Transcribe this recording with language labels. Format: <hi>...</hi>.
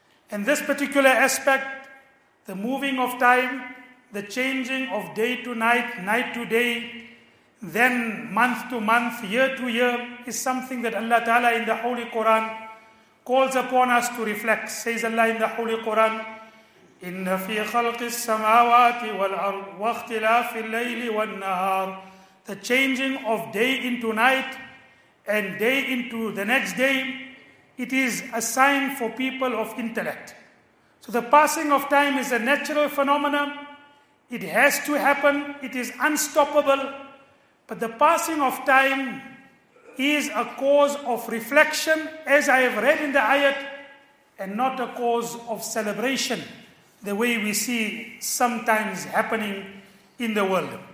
<en>In this particular aspect, the moving of time, the changing of day to night, night to day, then month to month, year to year, is something that Allah Ta'ala in the Holy Quran calls upon us to reflect. Says Allah in the Holy Quran,</en> <ar>إن في خلق السماوات والأرض واختلاف الليل والنهار.</ar> <en>The changing of day into night and day into the next day, it is a sign for people of intellect. So the passing of time is a natural phenomenon. It has to happen. It is unstoppable. But the passing of time is a cause of reflection, as I have read in the ayat, and not a cause of celebration, the way we see sometimes happening in the world.</en>